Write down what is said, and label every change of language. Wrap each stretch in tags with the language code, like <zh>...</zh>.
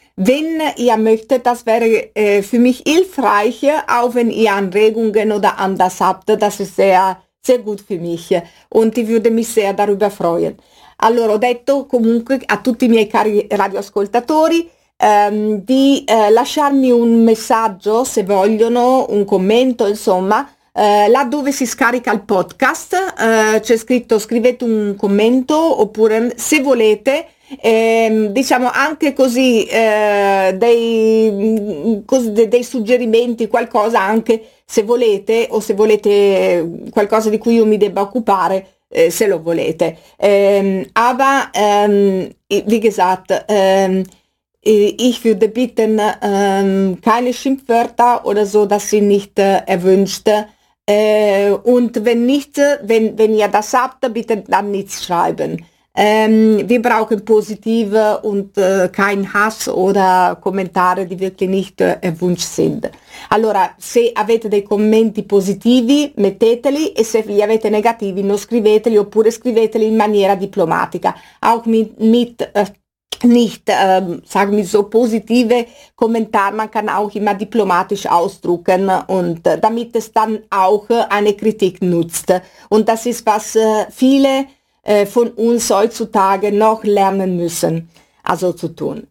<de>Wenn ihr möchtet, das wäre für mich hilfreich, auch wenn ihr Anregungen oder anders habt, das ist sehr, sehr gut für mich und ich würde mich sehr darüber freuen.</de> <it>Allora, ho detto comunque a tutti i miei cari radioascoltatori, lasciarmi un messaggio se vogliono, un commento, insomma, là dove si scarica il podcast, c'è scritto scrivete un commento, oppure se volete, diciamo anche così, dei suggerimenti, qualcosa anche se volete, o se volete qualcosa di cui io mi debba occupare, se lo volete.</it> <de>Wie gesagt, ich würde bitten, keine Schimpfwörter oder so, das sind nicht erwünscht. Und wenn nicht, wenn ihr das habt, bitte dann nichts schreiben. Wir brauchen positive und kein Hass oder Kommentare, die wirklich nicht erwünscht sind.</de> <it>Allora, se avete dei commenti positivi, metteteli, e se li avete negativi, non scriveteli, oppure scriveteli in maniera diplomatica.</it> <de>Auch mit nicht, sagen wir so, positive Kommentare, man kann auch immer diplomatisch ausdrucken, und damit es dann auch eine Kritik nutzt. Und das ist, was viele von uns heutzutage noch lernen müssen, also zu tun.</de>